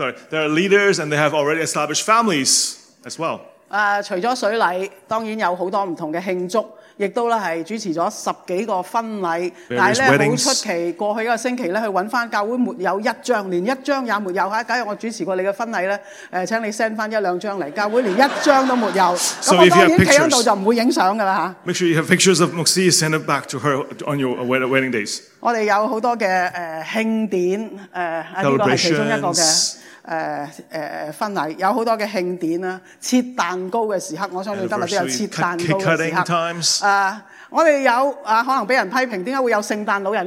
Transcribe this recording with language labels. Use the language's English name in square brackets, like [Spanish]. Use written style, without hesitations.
[English] There are leaders and they have already established families as well. [Cantonese] 除了水禮，当然有好多唔同嘅庆祝。亦都咧係主持咗十幾個婚禮，但係咧好出奇，過去一個星期咧去揾翻教會沒有一張，連一張也沒有嚇。假如我主持過你嘅婚禮咧，請你 send 翻一兩張嚟，教會連一張都沒有。So [English] if you have pictures, [Cantonese] 咁我已經企喺度就唔會影相㗎啦嚇。Make [English] sure you have pictures of Moxie, send it back to her on your wedding days. [Cantonese] 我哋有好多嘅慶典，呢個係其中一個嘅。婚禮，有好多嘅慶典啦，切蛋糕嘅時刻，我相信今日都有切蛋糕嘅時刻。我哋有可能俾人批評，點解會有聖誕老人？